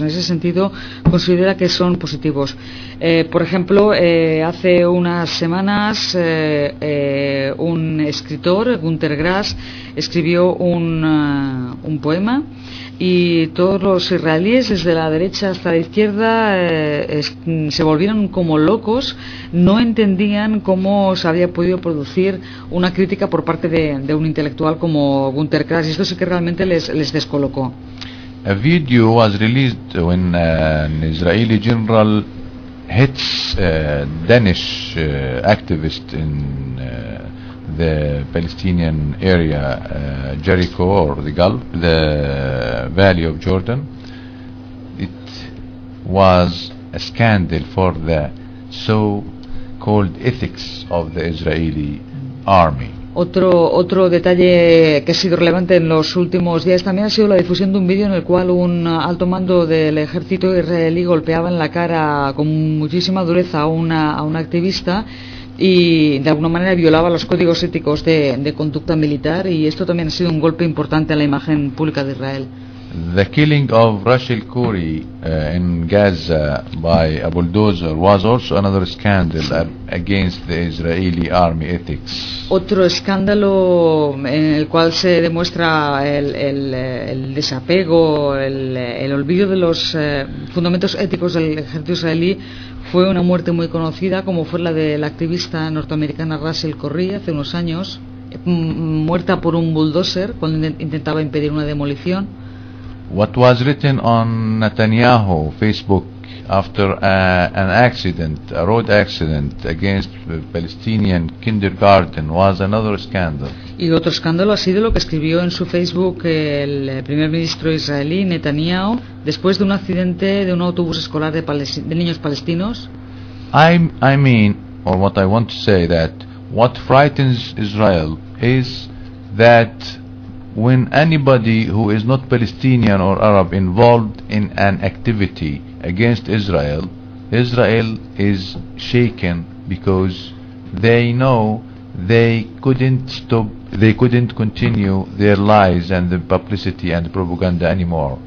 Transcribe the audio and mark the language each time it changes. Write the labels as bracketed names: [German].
[Spanish] En ese sentido, considera que son positivos. Por ejemplo, hace unas semanas un escritor, Gunter Grass, escribió un poema, y todos los israelíes, desde la derecha hasta la izquierda, se volvieron como locos. No entendían cómo se había podido producir una crítica por parte de un intelectual como Gunter Grass. Esto sí que realmente les descolocó. [English] A video was released when an Israeli general hits a Danish activist in the Palestinian area, Jericho, or the Gulf, the Valley of Jordan. It was a scandal for the so-called ethics of the Israeli army. [Spanish] Otro detalle que ha sido relevante en los últimos días también ha sido la difusión de un vídeo en el cual un alto mando del ejército israelí golpeaba en la cara con muchísima dureza a una activista y de alguna manera violaba los códigos éticos de conducta militar, y esto también ha sido un golpe importante a la imagen pública de Israel. [English] The killing of Rashid Khoury in Gaza by a bulldozer was also another scandal against the Israeli army ethics. [Spanish] Otro escándalo en el cual se demuestra el desapego, el olvido de los fundamentos éticos del ejército israelí fue una muerte muy conocida, como fue la de la activista norteamericana Rashid Khoury hace unos años, muerta por un bulldozer cuando intentaba impedir una demolición. [English] What was written on Netanyahu Facebook after a road accident against the Palestinian kindergarten was another scandal. [Spanish] Y otro escándalo ha sido lo que escribió en su Facebook el primer ministro israelí Netanyahu después de un accidente de un autobús escolar de niños palestinos. [English] I want to say that what frightens Israel is that when anybody who is not Palestinian or Arab involved in an activity against Israel, Israel is shaken because they know they couldn't continue their lies and the publicity and the propaganda anymore.